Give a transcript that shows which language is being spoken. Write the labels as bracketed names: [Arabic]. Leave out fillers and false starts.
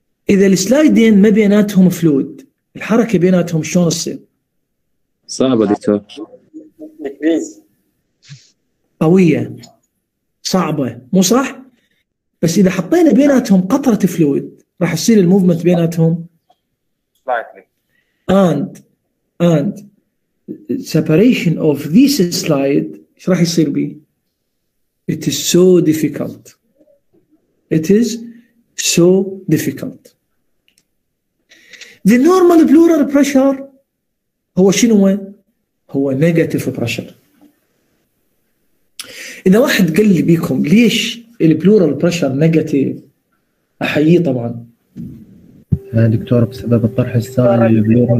[Arabic] اذا السلايدين ما بيناتهم فلود الحركة بيناتهم شلون تصير؟ صعبة دكتور قوية صعبة مو صح؟ بس اذا حطينا بيناتهم قطرة فلويد راح يصير الموفمنت بيناتهم [English] slightly and separation of this slide [Arabic] ايش راح يصير بي؟ [English] it is so difficult it is so difficult. The normal pleural pressure [Arabic] هو شنو؟ هو [English] negative pressure. [Arabic] إذا واحد قال لي بيكم ليش البلورال بريشر نيجاتيف احيي طبعا دكتور بسبب الطرح السائل البلورال